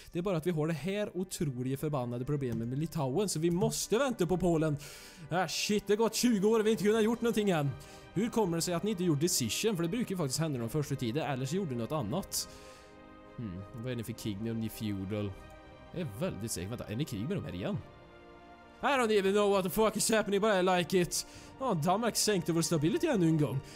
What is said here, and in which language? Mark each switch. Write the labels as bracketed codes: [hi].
[sv] Det är bara att vi har det här otroliga förbannade problemet med Litauen, så vi måste vänta på Polen. Shit, det har gått 20 år och vi inte kunnat gjort någonting än. Hur kommer det sig att ni inte gjorde decision? För det brukar ju faktiskt hända de första tiden, eller så gjorde ni något annat. Vad är ni för krig med om ni feudal? Jag är väldigt säker, vänta, är ni krig med dem här igen? [en] I don't even know what the fuck is happening, but I like it. [sv] Ja, Danmark sänkte vår stability ännu en gång.